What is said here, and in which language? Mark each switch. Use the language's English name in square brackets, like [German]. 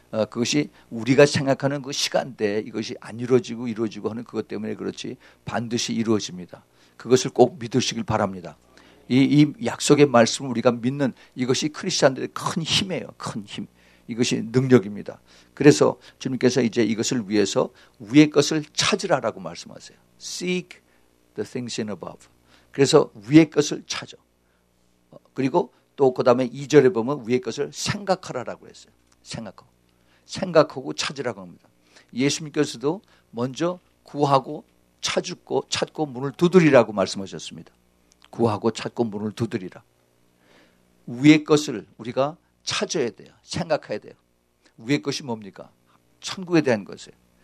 [Korean] 그것이 우리가 생각하는 그 시간대에 이것이 안 이루어지고 이루어지고 하는 그것 때문에 그렇지 반드시 이루어집니다. 그것을 꼭 믿으시길 바랍니다. 이 약속의 말씀을 우리가 믿는 이것이 크리스천들의 큰 힘이에요. 큰 힘. 이것이 능력입니다. 그래서 주님께서 이제 이것을 위해서 위의 것을 찾으라라고 말씀하세요. [English] Seek the things in above. [Korean] 그래서 위의 것을 찾아. 그리고 또 그 다음에 2절에 보면 위의 것을 생각하라라고 했어요. 생각하고. 생각하고 찾으라고 합니다. 예수님께서도 먼저 구하고 찾고 문을 두드리라고 말씀하셨습니다. 구하고 찾고 문을 두드리라. 위의 것을 우리가 찾아야 돼요. 생각해야 돼요. 위의 것이 뭡니까? 천국에 대한 것이에요.